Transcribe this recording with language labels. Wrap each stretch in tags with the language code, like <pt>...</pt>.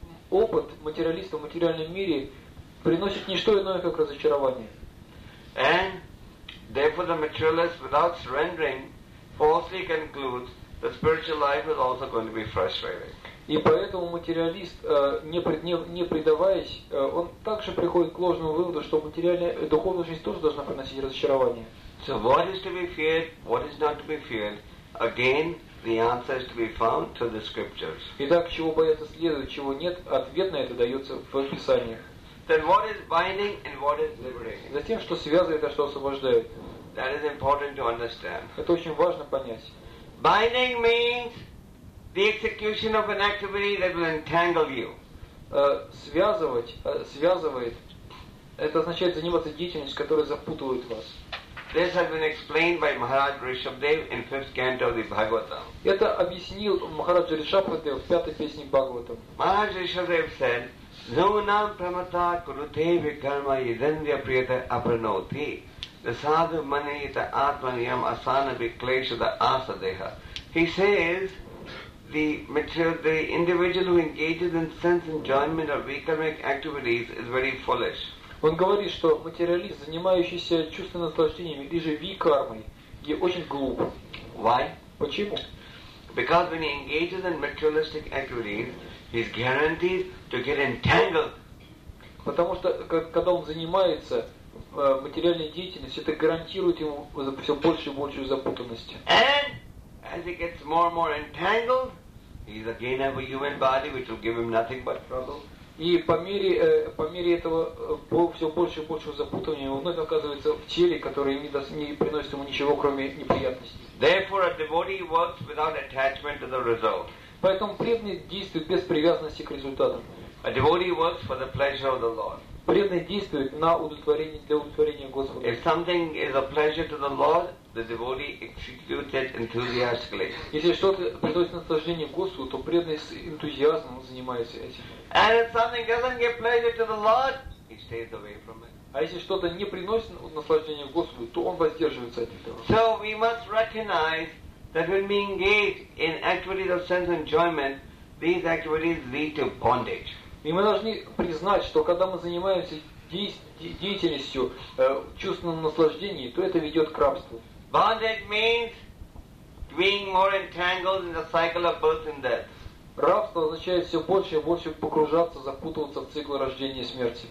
<ru>Опыт материалиста в материальном мире приносит не что иное, как разочарование.</ru> <en>And therefore the materialist without surrendering falsely concludes the spiritual life is also going to be frustrating.</en> <ru>И поэтому материалист, не предаваясь, он также приходит к ложному выводу, что материальная духовная жизнь тоже должна приносить разочарование.</ru> <en>So what is to be feared, what is not to be feared? Again, the answer is to be found to the scriptures.</en> <ru>Итак, чего бояться следует, чего нет, ответ на это дается в Писаниях.</ru> <en>Then what is binding and what is liberating?</en> <ru>Затем, что связывает, а что освобождает.</ru> <en>That is important to understand.</en> <ru>Это очень важно понять.</ru> <en>Binding means the execution of an activity that will entangle you.</en> <ru>Связывает. Это означает заниматься деятельностью, которая запутывает вас.</ru> <en>This has been explained by Maharaj Rishabhdev in 5th canto of the Bhagavatam.</en> <ru>Это объяснил Махараджа Ришабхадев в пятой песне Бхагаватам.</ru> <sa>Maharaj Rishabhdev said, "Nunam pramata kurute vikarma idendya priyata apranoti." The sadhu manita atmaniyam asana viklesha the asadeha.</sa> <en>He says the individual who engages in sense enjoyment or vikarmic activities is very foolish.</en> <ru>Он говорит, что материалист, занимающийся чувственными наслаждениями или же викармой, и очень глуп.</ru> <en>Why?</en> <ru>Почему?</ru> <en>Because when he engages in materialistic activities, he's guaranteed to get entangled.</en> <ru>Потому что когда он занимается материальная деятельность, это гарантирует ему все больше и большую запутанность.</ru> <en>And as he gets more and more entangled, he's again have a human body which will give him nothing but trouble.</en> <ru>И по мере этого все больше и большего запутывания, он вновь оказывается в теле, которое не приносит ему ничего, кроме неприятностей.</ru> <en>Therefore, a devotee works without attachment to the result.</en> <ru>Поэтому преданный действует без привязанности к результатам.</ru> <en>A devotee works for the pleasure of the Lord.</en> <ru>Преданный действует на удовлетворение для удовлетворения Господа.</ru> <en>If something is a pleasure to the Lord, the devotee executes it enthusiastically.</en> <ru>Если что-то приносит наслаждение Господу, то преданный с энтузиазмом занимается этим.</ru> <en>And if something doesn't give pleasure to the Lord, he stays away from it.</en> <ru>А если что-то не приносит наслаждение Господу, то он воздерживается от этого.</ru> <en>So we must recognize that when we engage in activities of sense enjoyment, these activities lead to bondage.</en> <ru>И мы должны признать, что когда мы занимаемся деятельностью чувственного наслаждения, то это ведет к рабству.</ru> <en>Bondage means being more entangled in the cycle of birth and death.</en> <ru>Рабство означает все больше и больше погружаться, запутываться в цикл рождения и смерти.</ru>